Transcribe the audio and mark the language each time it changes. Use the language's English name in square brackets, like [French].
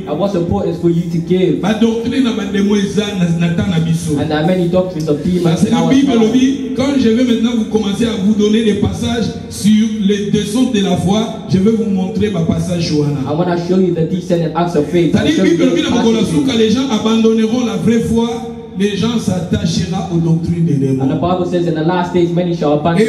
[English] And what's important is for you to give. And there are many doctrines of demons in our time. [French] Quand je vais maintenant vous commencer à vous donner des passages sur les descentes de la foi, je vais vous montrer ma passage Johanna. [English] I want to show you the descendant acts of faith. [French] Les gens abandonneront la vraie foi. Les gens s'attachera aux doctrines des démons. [English] And the Bible says in the last days many shall